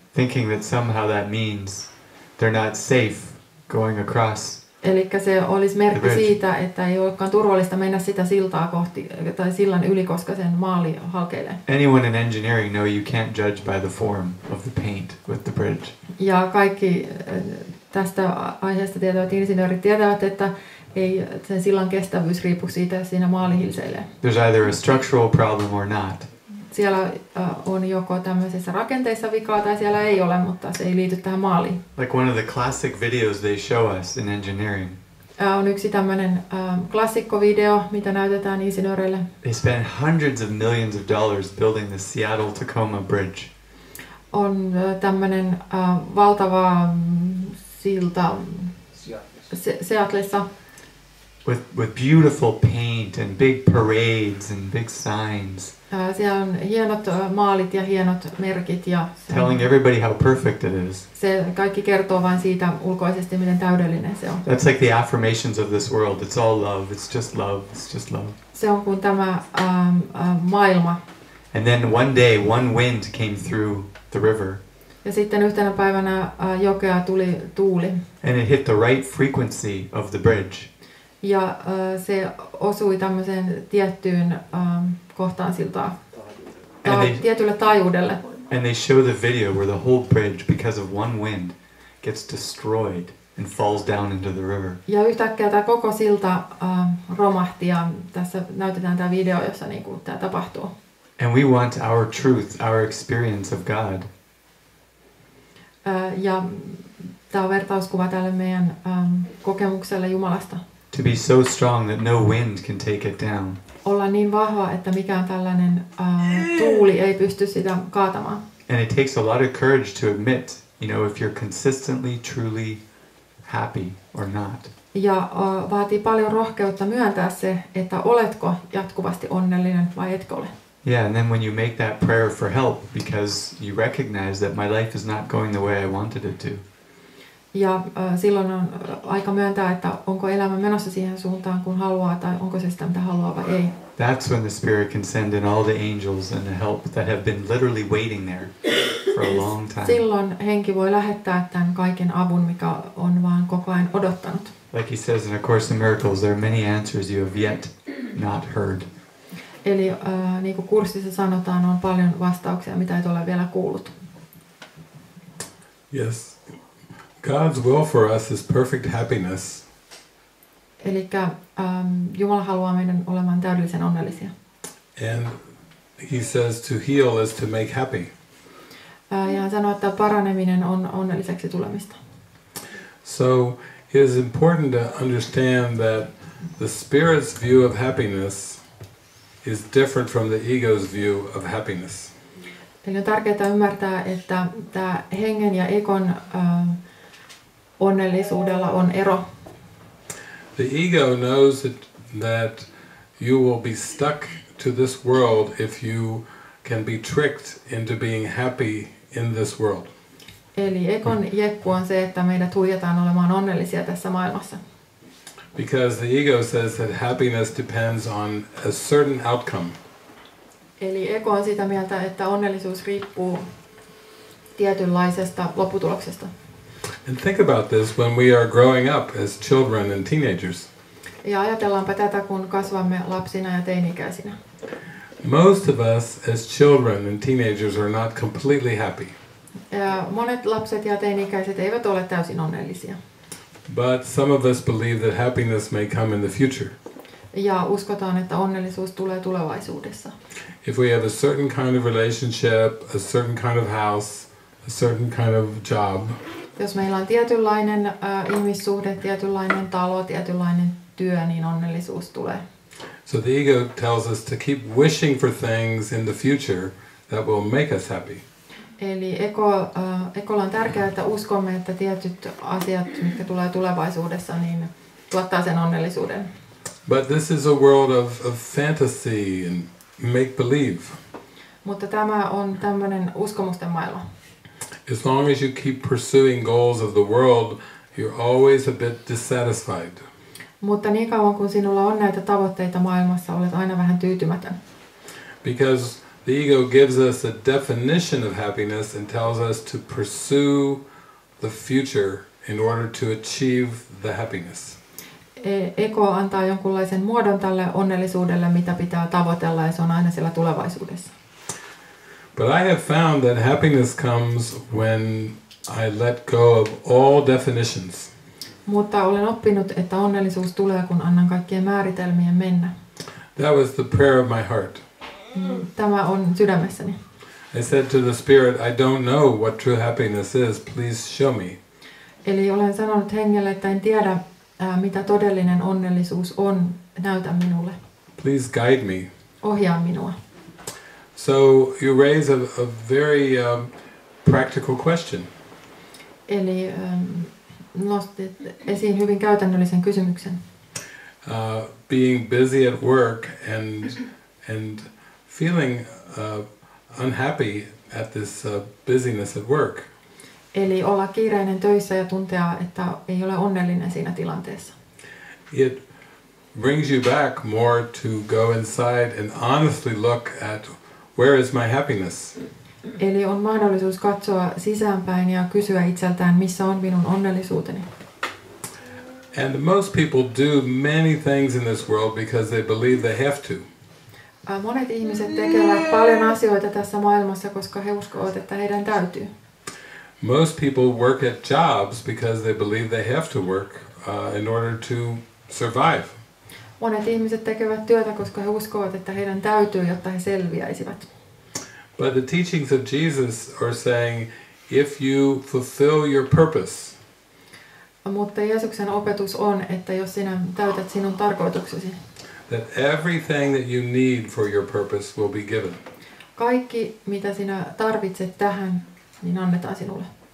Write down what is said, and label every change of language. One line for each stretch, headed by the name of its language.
English: Thinking that somehow that means they're not safe going across.
Finnish: Elikkä se olisi merkki siitä, että ei olekaan turvallista mennä sitä siltaa kohti tai sillan yli, koska sen maali halkeilee.
English: Anyone in engineering know you can't judge by the form of the paint with the bridge.
Finnish: Ja kaikki tästä aiheesta tietävät insinöörit tietävät, että ei sen sillan kestävyys riippu siitä, että siinä maali hilseilee.
English: There's either a structural problem or not.
Finnish: Siellä on joko tämmöisissä rakenteissa vikaa tai siellä ei ole, mutta se ei liity tähän maaliin.
English: Like one of the classic videos they show us in engineering.
Finnish: On yksi tämmöinen klassikko video, mitä näytetään insinööreille.
English: They spend hundreds of millions of dollars building the Seattle-Tacoma bridge.
Finnish: On tämmöinen valtava silta Seattleissa.
English: With beautiful paint and big parades and big signs.
Finnish: Siellä on hienot maalit ja hienot merkit ja
English: telling everybody how perfect it is.
Finnish: Se kaikki kertoo vain siitä ulkoisesti, miten täydellinen se on.
English: That's like the affirmations of this world. It's all love. It's just love. It's just love.
Finnish: Se on kuin tämä maailma.
English: And then one day, one wind came through the river.
Finnish: Ja sitten yhtenä päivänä jokea tuli tuuli.
English: And it hit the right frequency of the bridge.
Finnish: Ja se osui tämmöiseen tiettyyn kohtaan siltaa, tietylle taajuudelle.
English: And they show the video where the whole bridge, because of one wind, gets destroyed and falls down into the river.
Finnish: Ja yhtäkkiä tämä koko silta romahti ja tässä näytetään tämä video, jossa niinku tämä tapahtuu.
English: And we want our truth, our experience of God.
Finnish: Ja tämä on vertauskuva tälle meidän kokemukselle Jumalasta.
English: To be so strong that no wind can take it down.
Finnish: Olla niin vahva, että mikään tällainen tuuli ei pysty sitä kaatamaan.
English: And it takes a lot of courage to admit, you know, if you're consistently truly happy or not.
Finnish: Ja vaatii paljon rohkeutta myöntää se, että oletko jatkuvasti onnellinen vai etkö ole.
English: Yeah, and then when you make that prayer for help because you recognize that my life is not going the way I wanted it to.
Finnish: Ja silloin on aika myöntää, että onko elämä menossa siihen suuntaan, kun haluaa, tai onko se sitä, mitä haluaa vai ei.
English: That's when the Spirit can send in all the angels and the help that have been literally waiting there for a long time.
Finnish: Silloin henki voi lähettää tämän kaiken avun, mikä on vaan koko ajan odottanut.
English: Like he says in A Course in Miracles, there are many answers you have yet not heard.
Finnish: Eli niin kuin kurssissa sanotaan, on paljon vastauksia, mitä et ole vielä kuullut.
English: Yes. God's will for us is perfect happiness.
Finnish: Elikkä Jumala haluaa meidän olemaan täydellisen onnellisia.
English: And he says to heal is to make happy.
Finnish: Ja hän sanoo, että paraneminen on onnelliseksi tulemista.
English: So it is important to understand that the spirit's view of happiness is different from the ego's view of happiness.
Finnish: Eli on tärkeää ymmärtää, että tämä hengen ja egon onnellisuudella on ero.
English: The ego knows that you will be stuck to this world if you can be tricked into being happy in this world.
Finnish: Eli egon jeppu on se, että meidät huijataan olemaan onnellisia tässä maailmassa.
English: Because the ego says that happiness depends on a certain outcome.
Finnish: Eli ego on sitä mieltä, että onnellisuus riippuu tietynlaisesta lopputuloksesta.
English: And think about this when we are growing up as children and teenagers.
Finnish: Ja ajatellaanpa tätä, kun kasvamme lapsina ja teini-ikäisinä.
English: Most of us as children and teenagers are not completely happy.
Finnish: monet lapset ja teini-ikäiset eivät ole täysin onnellisia.
English: But some of us believe that happiness may come in the future.
Finnish: Ja uskotaan, että onnellisuus tulee tulevaisuudessa.
English: If we have a certain kind of relationship, a certain kind of house, a certain kind of job.
Finnish: Jos meillä on tietynlainen ihmissuhde, tietynlainen talo, tietynlainen työ, niin onnellisuus tulee.
English: So the ego tells us to keep wishing for things in the future that will make us happy.
Finnish: Eli ekolla on tärkeää, että uskomme, että tietyt asiat, mitkä tulee tulevaisuudessa, niin tuottaa sen onnellisuuden.
English: But this is a world of fantasy and make believe.
Finnish: Mutta tämä on tämmöinen uskomusten maailma.
English: As long as you keep pursuing goals of the world, you're always a bit dissatisfied.
Finnish: Mutta niin kauan kuin sinulla on näitä tavoitteita maailmassa, olet aina vähän tyytymätön.
English: Because the ego gives us a definition of happiness and tells us to pursue the future in order to achieve the happiness.
Finnish: Ego antaa jonkunlaisen muodon tälle onnellisuudelle, mitä pitää tavoitella, ja se on aina siellä tulevaisuudessa.
English: But I have found that happiness comes when I let go of all definitions.
Finnish: Mutta olen oppinut, että onnellisuus tulee, kun annan kaikkien määritelmien mennä.
English: That was the prayer of my heart.
Finnish: Tämä on sydämessäni.
English: I said to the spirit, I don't know what true happiness is, please show me.
Finnish: Eli olen sanonut hengelle, että en tiedä, mitä todellinen onnellisuus on, näytä minulle.
English: Please guide me.
Finnish: Ohjaa minua.
English: So you raise a very practical question.
Finnish: Eli nostit esiin hyvin käytännöllisen kysymyksen.
English: Being busy at work and feeling unhappy at this busyness at work.
Finnish: Eli olla kiireinen töissä ja tuntea, että ei ole onnellinen siinä tilanteessa.
English: It brings you back more to go inside and honestly look at where is my happiness?
Finnish: Eli on mahdollisuus katsoa sisäänpäin ja kysyä itseltään, missä on minun onnellisuuteni.
English: And most people do many things in this world because they believe they have to.
Finnish: Monet ihmiset tekevät paljon asioita tässä maailmassa, koska he uskovat, että heidän täytyy.
English: Most people work at jobs because they believe they have to work in order to survive.
Finnish: Monet ihmiset tekevät työtä, koska he uskovat, että heidän täytyy, jotta he selviäisivät.
English: But the teachings of Jesus are saying, if you fulfill your purpose.
Finnish: Mutta Jeesuksen opetus on, että jos sinä täytät sinun tarkoituksesi.
English: That everything that you need for your purpose will be given.
Finnish: Kaikki, mitä sinä tarvitset tähän, niin annetaan sinulle.